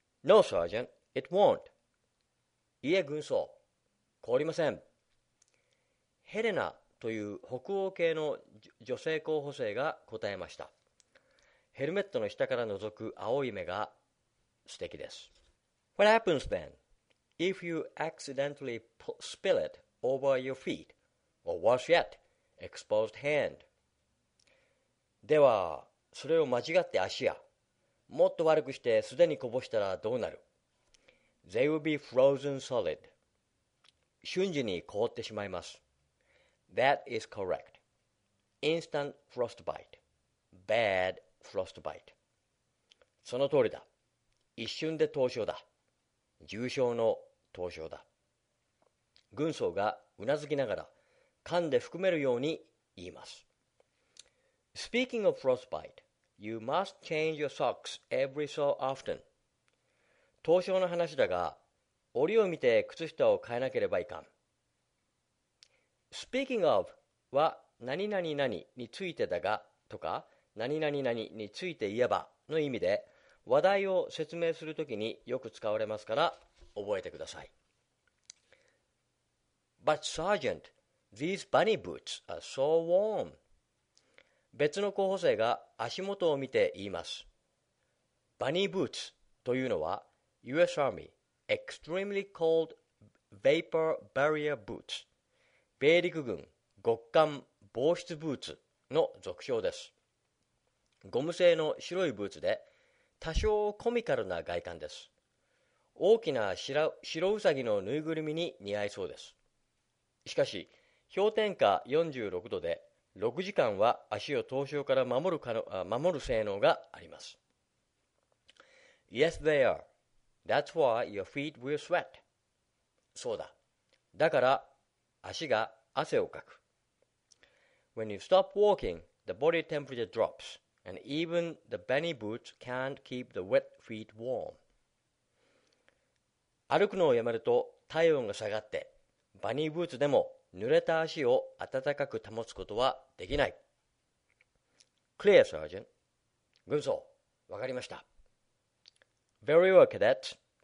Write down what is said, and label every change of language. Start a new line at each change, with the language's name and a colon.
English: No, Sergeant, it won't.
Japanese: いえ軍曹、凍りません。ヘレナという北欧系の女性候補生が答えました。ヘルメットの下から覗く青い目が素敵です。
English: What happens then if you accidentally spill it over your feet or worse yet, exposed hand?
Japanese: では、それを間違って足や、もっと悪くして素手にこぼしたらどうなる。
English: They will be frozen solid.
Japanese: 瞬時に凍ってしまいます。
English: That is correct. Instant frostbite. Bad frostbite.
Japanese: その通りだ。一瞬で凍傷だ。重症の凍傷だ。軍曹がうなずきながら噛んで含めるように言います。
English: Speaking of frostbite, you must change your socks every so often.
Japanese: 凍傷の話だが、折を見て靴下を変えなければいかん。 Speaking of は何々についてだがとか何々について言えばの意味で、話題を説明するときによく使われますから覚えてください。
English: But Sergeant, these bunny boots are so warm.
Japanese: 別の候補生が足元を見て言います。 Bunny boots というのは US Army Extremely Cold Vapor Barrier Boots、米陸軍極寒防湿ブーツの俗称です。ゴム製の白いブーツで多少コミカルな外観です。大きな白ウサギのぬいぐるみに似合いそうです。しかし氷点下46度で6時間は足を凍傷から守る性能があります。
English: Yes they are. That's why your feet will sweat.
Japanese: そうだ、だから足が汗をかく。
English: When you stop walking, the body temperature drops, and even the bunny boots can't keep the wet feet warm.
Japanese: 歩くのをやめると体温が下がって、バニーブーツでも濡れた足を暖かく保つことはできない。
English: Clear, Sergeant.
Japanese: 軍曹、わかりました。
English: Very well, cadet.